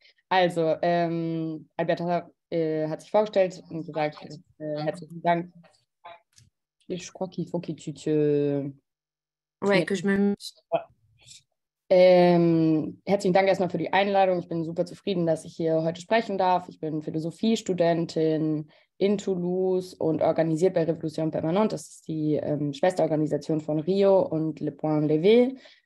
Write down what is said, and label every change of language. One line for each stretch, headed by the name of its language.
German: Also, Alberta hat sich vorgestellt und gesagt, herzlichen Dank. Ich
French: crois qu'il faut que tu te... Ouais, que je me...
German: Herzlichen Dank erstmal für die Einladung. Ich bin super zufrieden, dass ich hier heute sprechen darf. Ich bin Philosophiestudentin in Toulouse und organisiert bei Revolution Permanente. Das ist die Schwesterorganisation von Rio und Le Point Levé.